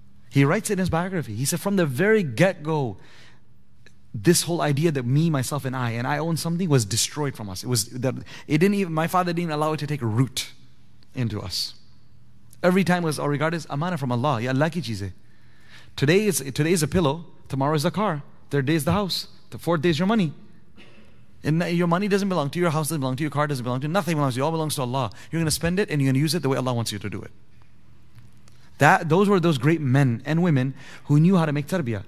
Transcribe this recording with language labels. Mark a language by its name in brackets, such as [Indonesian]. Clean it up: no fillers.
[English] He writes it in his biography. He said, from the very get-go, this whole idea that me, myself, and I own something was destroyed from us. My father didn't allow it to take root into us. Every time was all regarded as amana from Allah. [Urdu] یا اللہ کی چیز ہے۔ [English] Today is a pillow. Tomorrow is the car. Third day is the house. The fourth day is your money. And your money doesn't belong to you. Your house doesn't belong to you. Your car doesn't belong to you. Nothing belongs to you. All belongs to Allah. You're going to spend it and you're going to use it the way Allah wants you to do it. That those were those great men and women who knew how to make tarbiyah.